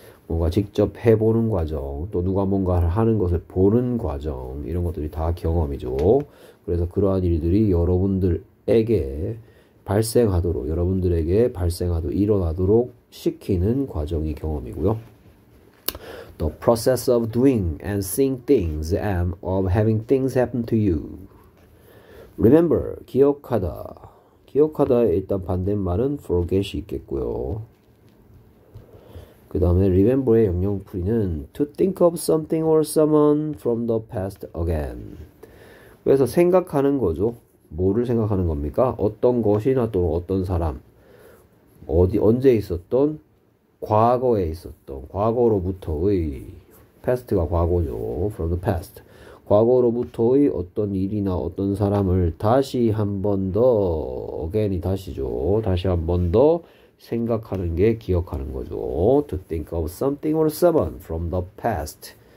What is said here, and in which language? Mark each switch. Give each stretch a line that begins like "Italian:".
Korean: 뭔가 직접 해보는 과정, 또 누가 뭔가를 하는 것을 보는 과정, 이런 것들이 다 경험이죠. 그래서 그러한 일들이 여러분들에게 발생하도록, 일어나도록 시키는 과정이 경험이고요.
English: The process of doing and seeing things and of having things happen to you.
Korean: Remember, 기억하다. 기억하다의 일단 반대말은 forget이 있겠고요. 그 다음에 remember의 영영풀이는
English: to think of something or someone from the past again.
Korean: 그래서 생각하는 거죠. 뭐를 생각하는 겁니까? 어떤 것이나 또는 어떤 사람. 언제 있었던? 과거에 있었던. 과거로부터의. past가 과거죠.
English: from the past.
Korean: 과거로부터의 어떤 일이나 어떤 사람을 다시 한번 더, again이 다시죠. 다시 한번더 생각하는 게 기억하는 거죠.
English: To think of something or someone from the past.